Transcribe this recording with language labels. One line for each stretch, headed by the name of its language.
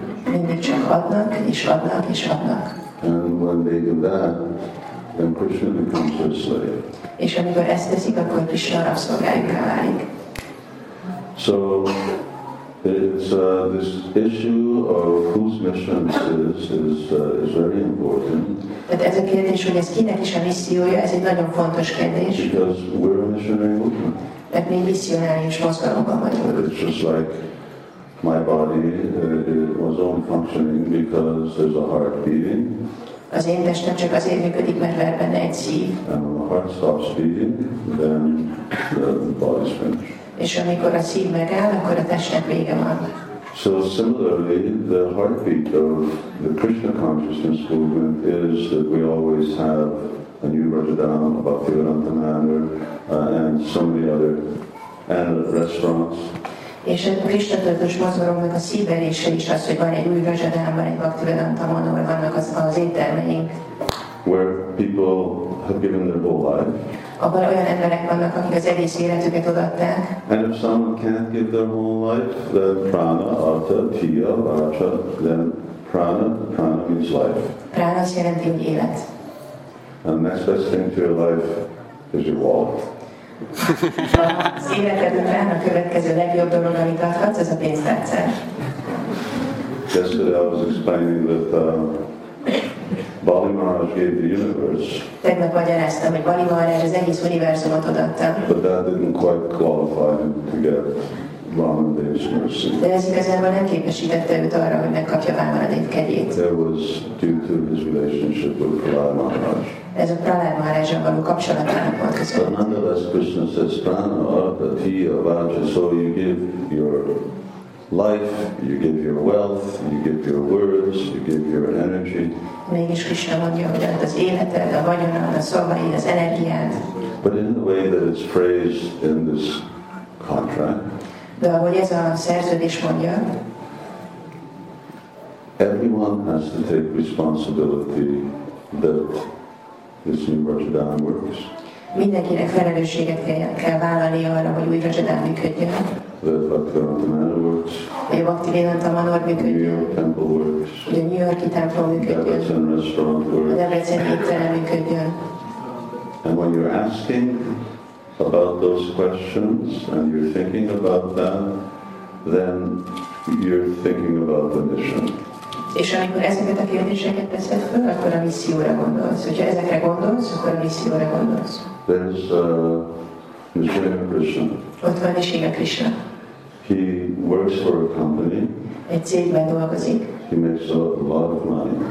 Hungarian: Mindig csak adnak és adnak és adnak.
English: And when they do that, then Krishna becomes their slave.
Hungarian: És amikor ezt teszik, akkor Krishna rabszolgájukká válik.
English: So it's this issue of whose mission is very important.
Hungarian: Tehát ez a kérdés, hogy ez kinek is a missziója, ez egy nagyon fontos kérdés.
English: Because we're a missionary movement.
Hungarian: Tehát mi missionáris mozgalomban vagyunk.
English: It's just like my body, it was only functioning because there's a heart beating.
Hungarian: Az én testem csak azért működik, mert van benne egy szív.
English: And when the heart stops beating, then the body's finished.
Hungarian: És amikor a szív megáll, akkor a testnek vége van.
English: So similarly, the heartbeat of the Krishna consciousness movement is that we always have a new Rajadam, a Bhakti Vedanta Manor, and so many other, and restaurants.
Hungarian: És a Krishna tudatos mozgalomnak a szívverése is az, hogy van egy új Rajadam, van egy Bhakti Vedanta Manor, vannak az éttermeink.
English: Where people have given their whole life.
Hungarian: Abban olyan emberek vannak, akik az egész életüket odaadták.
English: And if someone can't give their whole life, then prana, arta, tiya, vacha, then prana means life.
Hungarian: Prana azt jelenti, hogy élet.
English: And the next best thing to your life is your wallet.
Hungarian: Az életed után a következő legjobb dolog, amit adhatsz, az a pénztárcád.
English: Yesterday I was explaining that Bali Maharaj gave the universe.
Hungarian: Tegnap magyaráztam, hogy Bali Maharaj az egész univerzumot odaadta.
English: But that didn't quite qualify him to get Vamana Dev's mercy.
Hungarian: De ez igazából nem képesítette őt arra, hogy megkapja Vamana Dev kegyét.
English: That was due to his relationship with Pralad Maharaj.
Hungarian: Ez a Pralad Maharajjal való kapcsolatának volt köszönhető.
English: But nonetheless, Krishna says, prana, arta, tiya, vacha, so you give your life, you give your wealth, you give your words, you give your energy.
Hungarian: Mégis Krishna mondja, hogy az életed, a vagyonod, a szavaid, az energiád.
English: But in the way that it's phrased in this contract.
Hungarian: De ahogy ez a szerződés mondja.
English: Everyone has to take responsibility that this new Rajadam works.
Hungarian: Mindenkinek felelősséget kell vállalni arra, hogy új Rajadam működjön.
English: That Bhakti Vedanta Manor works.
Hungarian: A Bhakti Vedanta Manor működjön.
English: New York temple works.
Hungarian: A New Yorki templom működjön.
English: The Debrecen restaurant works.
Hungarian: A Debrecen étterem működjön.
English: And when you're asking about those questions and you're thinking about them, then you're thinking about the mission.
Hungarian: És amikor ezeket a kérdéseket teszed föl, akkor a misszióra gondolsz. Hogyha ezekre gondolsz, akkor a misszióra gondolsz.
English: There's Shiva Krishna.
Hungarian: Ott van Shiva Krishna.
English: He works for a company.
Hungarian: Egy cégben dolgozik.
English: He makes a lot of money.